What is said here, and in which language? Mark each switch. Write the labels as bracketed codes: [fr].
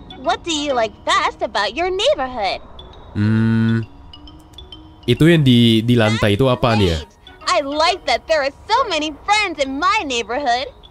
[en] What do you like best about your neighborhood? [id] Itu yang di lantai itu apaan ya? [en] I like that there are so many friends in my neighborhood.